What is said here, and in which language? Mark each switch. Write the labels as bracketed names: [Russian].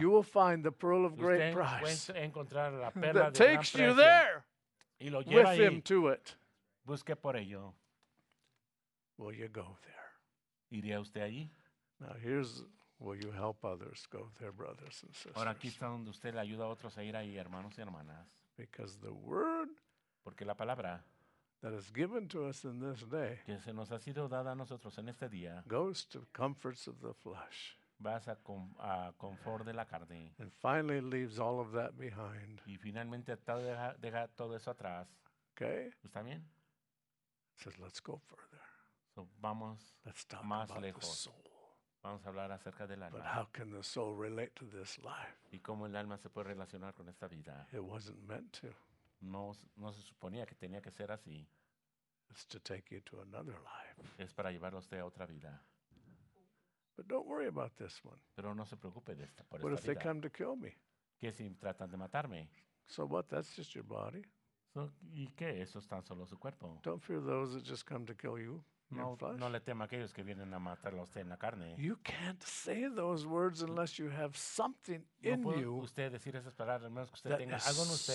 [English] You will find the pearl of great price [Spanish] encontrar la perla [English] that [Spanish] de [English] takes [Spanish] gran [English] you there [Spanish] y lo lleva [English] with [Spanish] ahí. [English] Him to it. [Spanish] Busque por ello. [English] Will you go there? [Spanish] ¿Iría usted allí? [English] Now here's will you help others go there, brothers and sisters. [Spanish] Ahora aquí está donde usted le ayuda a otros a ir ahí, hermanos y hermanas. [English] Because the word [Spanish] porque la palabra [English] that is given to us in this day [Spanish] que se nos ha sido dada a nosotros en este día [English] goes to comforts of the flesh. [Spanish] vas a confort de la carne. [English] And finally leaves all of that behind. [Spanish] Y finalmente deja todo eso atrás. [English] Okay. [Spanish] ¿Está bien? [English] Says, let's go further. [Spanish] So vamos [English] let's talk [Spanish] más [English] about [Spanish] lejos. [English] The soul. [Spanish] Vamos a hablar acerca del alma. [English] But how can the soul relate to this life? [Spanish] ¿Y cómo el alma se puede relacionar con esta vida? [English] It wasn't meant to. [Spanish] No se suponía que tenía que ser así. [English] It's to take you to another life. [Spanish] Es para llevarlo a usted a otra vida. [English] But don't worry about this one. [Spanish] Pero no se preocupe de esta, por [English] what [Spanish] esta [English] if [Spanish] vida. [English] They come to kill me? [Spanish] ¿Qué si tratan de matarme? [English] So what? That's just your body. [Spanish] So, ¿y qué? Eso es tan solo su cuerpo. [English] Don't fear those that just come to kill you. [Spanish] No, no le tema a aquellos que vienen a matarlo a usted en la carne. [English] You can't say those words unless you have something in you. [Spanish] No puede usted decir esas palabras a menos que usted tenga algo en usted.